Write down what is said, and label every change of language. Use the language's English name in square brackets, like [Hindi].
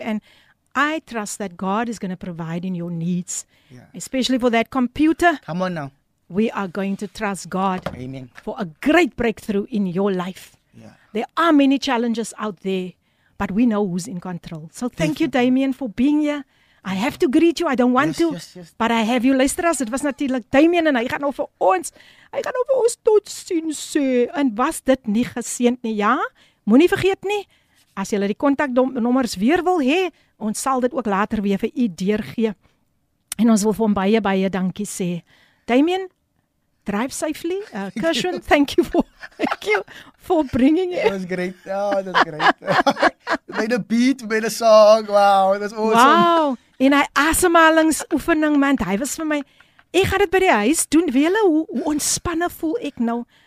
[English] And I trust that God is going to provide in your needs, especially for that computer. Come on now. We are going to trust God. Amen. For a great breakthrough in your life. Yeah. There are many challenges out there. but we know who's in control. So thank you, Damien, for being here. I have to greet you. I don't want to. Yes. But I have you. [Afrikaans] Luisteraars, dit was natuurlik Damien en hy gaan nou vir ons. Hy gaan nou vir ons tot sien sê. En was dit nie geseend nie? Ja. Moenie vergeet nie. As jy die kontaknommers weer wil hê, ons sal dit ook later weer vir u deurgee. En ons wil vir hom baie baie dankie sê. [English] Damien, drive safely. Kershon, thank you for bringing it. That was great. Oh, that was great. Made a beat, made a song. Wow, that's awesome. [Afrikaans] Wow. En hy asemhalingsoefening, man. Hy was vir my, ek gaan dit by die huis doen. Weet julle hoe ontspanne voel ek nou?